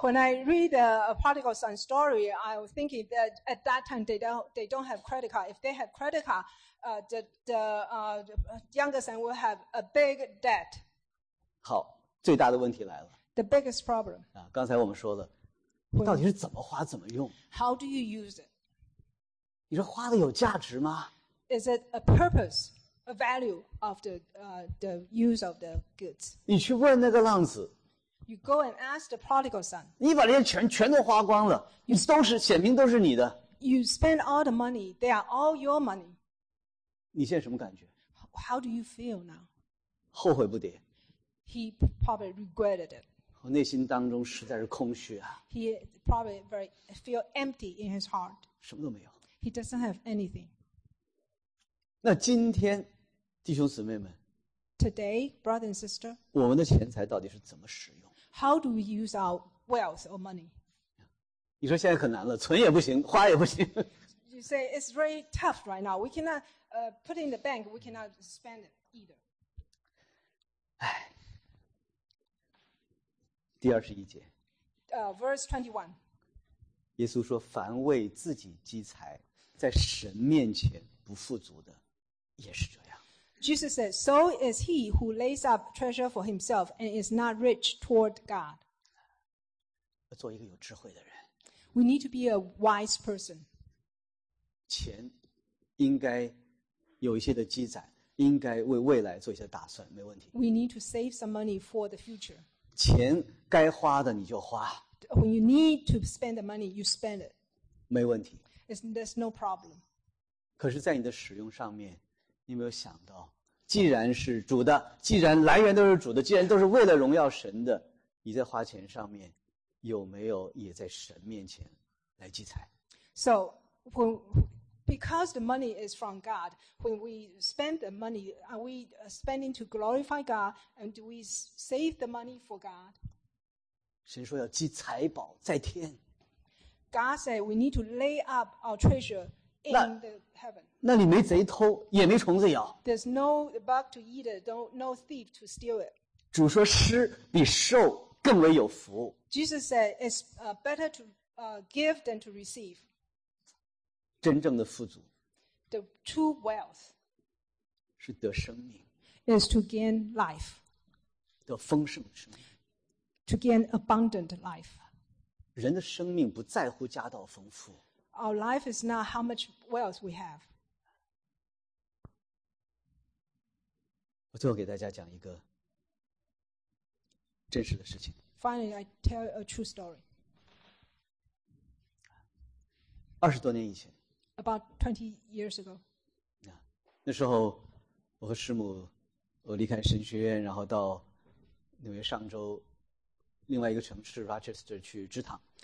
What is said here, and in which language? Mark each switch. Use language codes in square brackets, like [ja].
[en] When I read the Prodigal Son story, I was thinking that at that time they don't have credit card. If they had credit card, the younger son will have a big debt. [zh] 好，最大的问题来了。 [en] The biggest problem. [zh] 啊，刚才我们说的，到底是怎么花怎么用 [en] ？How do you use it？ [zh] 你说花的有价值吗 [en] ？Is it a purpose？ A value of the use of the goods. [zh] 你去问那个浪子。 [en] You go and ask the prodigal son. [zh] 你把这些钱全都花光了，你都是显明都是你的。 [en] You spend all the money. They are all your money. [zh] 你现在什么感觉 [en] ？How do you feel now? [zh] 后悔不迭。 [en] He probably regretted it. [zh] 我内心当中实在是空虚啊。 [en] He probably very feel empty in his heart. [zh] 什么都没有。 [en] He doesn't have anything. [zh] 那今天弟兄姊妹们 [en] Today, brother and sister, [zh] 我们的钱财到底是怎么使用 [en] How do we use our wealth or money? [zh] 你说现在很难了存也不行花也不行 [en] You say it's very tough right now. We cannot put in the bank. We cannot spend it either. [zh] 哎，第二十一节 [en] Verse 21 [zh] 耶稣说凡为自己积财在神面前不富足的也是这样。 [en] Jesus said, "So is he who lays up treasure for himself and is not rich toward God." [zh] 做一个有智慧的人。 [en] We need to be a wise person. [zh] 钱应该有一些的积攒，应该为未来做一些打算，没问题。 [en] We need to save some money for the future. [zh] 钱该花的你就花。 [en] When you need to spend the money, you spend it. [zh] 没问题。 [en] There's no problem. [zh] 可是，在你的使用上面。你没有想到，既然是主的，既然来源都是主的，既然都是为了荣耀神的，你在花钱上面有没有也在神面前来积财 [en] ？So, because the money is from God, when we spend the money, are we spending to glorify God, and do we save the money for God? [zh] 神说要积财宝在天。 [en] God said we need to lay up our treasure. [zh] 那里没贼偷，也没虫子咬。 [en] There's no bug to eat it, no thief to steal it. [zh] 主说施比受更为有福。 [en] Jesus said it's better to give than to receive. [zh] 真正的富足。 [en] The true wealth. [zh] 是得生命。 [en] Is to gain life. [zh] 得丰盛的生命。 [en] To gain abundant life. [zh] 人的生命不在乎家道丰富。 [en] Our life is not how much wealth we have. [zh] 我最后给大家讲一个真实的事情。 [en] Finally, I tell a true story. [zh] 20多年以前。 [en] About 20 years ago. [zh] 那时候我和师母我离开神学院然后到纽约上州另外一个城市 Rochester 去支堂。